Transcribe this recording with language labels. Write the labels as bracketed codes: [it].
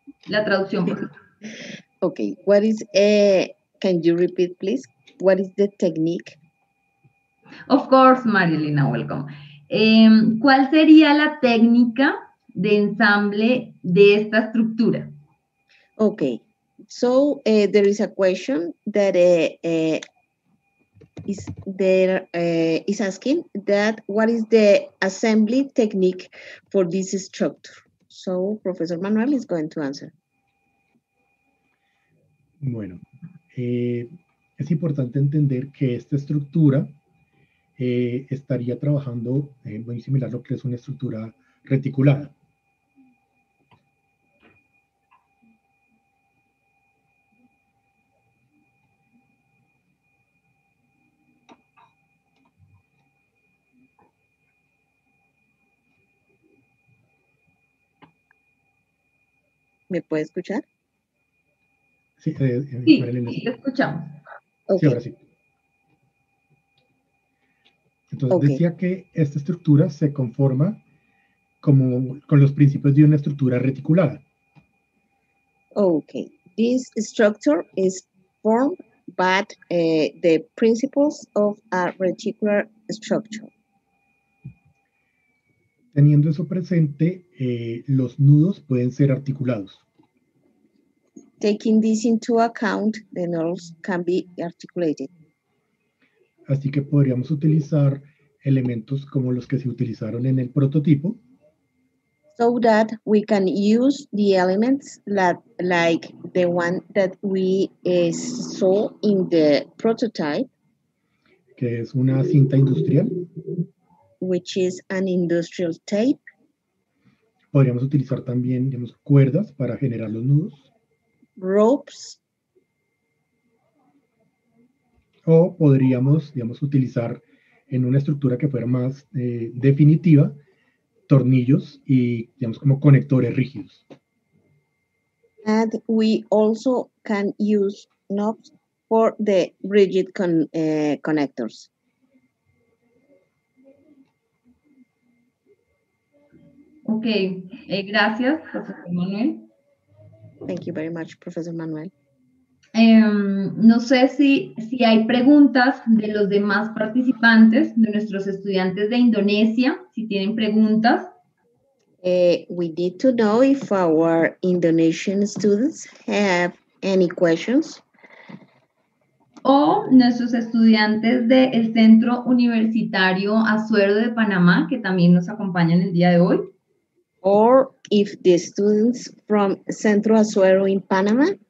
[es] La traducción, por favor. [en] Ok, what is, can you repeat, please? What is the technique? Of course, Marielina, welcome. [es] ¿Cuál sería la técnica de ensamble de esta estructura? [en] Ok, so there is a question that is asking that what is the assembly technique for this structure? So, Professor Manuel is going to answer. [es] Bueno, es importante entender que esta estructura estaría trabajando muy similar a lo que es una estructura reticulada. ¿Me puede escuchar? Sí, Marilena. Sí, lo escuchamos. Okay. Sí, ahora sí. Entonces, okay. Decía que esta estructura se conforma como con los principios de una estructura reticulada. [en] Okay. This structure is formed by the principles of a reticular structure. [es] Teniendo eso presente, los nudos pueden ser articulados. [en] Taking this into account, the nodes can be articulated. [es] Así que podríamos utilizar elementos como los que se utilizaron en el prototipo. [en] So that we can use the elements that, like the one that we saw in the prototype. [es] Que es una cinta industrial. [en] Which is an industrial tape. [es] Podríamos utilizar también, digamos, cuerdas para generar los nudos. [en] Ropes. [es] O podríamos, digamos, utilizar en una estructura que fuera más definitiva, tornillos y, digamos, como conectores rígidos. [en] And we also can use knobs for the rigid connectors. [es] Ok, gracias, profesor Manuel. [en] Thank you very much, Professor Manuel. [es] No sé si hay preguntas de los demás participantes, de nuestros estudiantes de Indonesia, si tienen preguntas. [en] We need to know if our Indonesian students have any questions. [es] O nuestros estudiantes del Centro Universitario Azuero de Panamá, que también nos acompañan el día de hoy. [en] Or if the students from Centro Azuero in Panama.